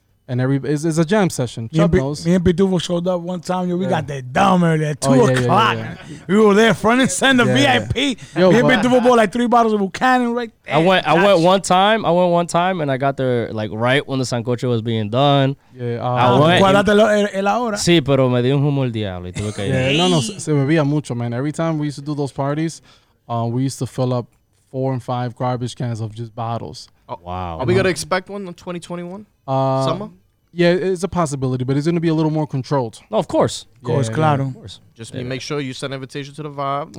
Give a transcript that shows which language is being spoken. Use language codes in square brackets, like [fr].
[en] And it's a jam session. Me and Bidubo showed up one time. Yo, we got that dumb early at 2 o'clock. Yeah. We were there front and center, VIP. Yo, me and Bidubo bought like 3 bottles of Buchanan right there. I went one time, and I got there like right when the sancocho was being done. Yeah, I went. [es] Sí, pero me dio un humo el diablo. Y tuve que ir. No, se bebía mucho, man. [en] Every time we used to do those parties, we used to fill up 4 and 5 garbage cans of just bottles. Wow. Are we going to expect one in 2021? Summer? Yeah, it's a possibility, but it's going to be a little more controlled. No, of course. Of course, claro. Of course. Just make sure you send an invitation to the vibe.